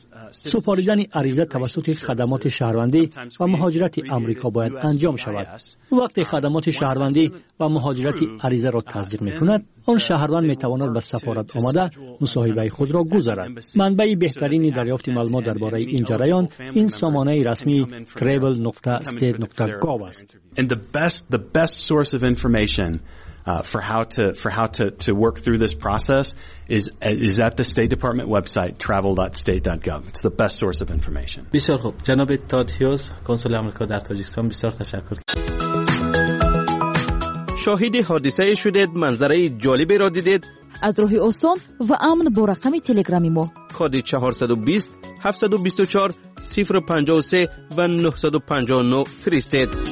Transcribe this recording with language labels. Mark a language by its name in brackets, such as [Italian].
[Persian] سپاریدن عریضه توسط خدمات شهروندی و مهاجرت امریکا باید انجام شود. وقتی خدمات شهروندی و مهاجرت عریضه را تصدیق میکند، آن شهروند میتواند به سفارت آمده مصاحبه خود را گذارد. منبع بهترین دریافت معلومات درباره این جریان این سامانه رسمی travel.state.gov است. [English] And the best source of information for how to work through this process is at the State Department website travel.state.gov. It's the best source of information. [Persian] بسیار خوب. جناب تاد هیوز، کنسول آمریکا در تاجیکستان، بسیار تشکر. شاهد حادثه شدید، منظره جالبی را دیدید؟ از راه آسان و امن با رقم تلگرامی ما کد 420 724 053 و 959 فرستید.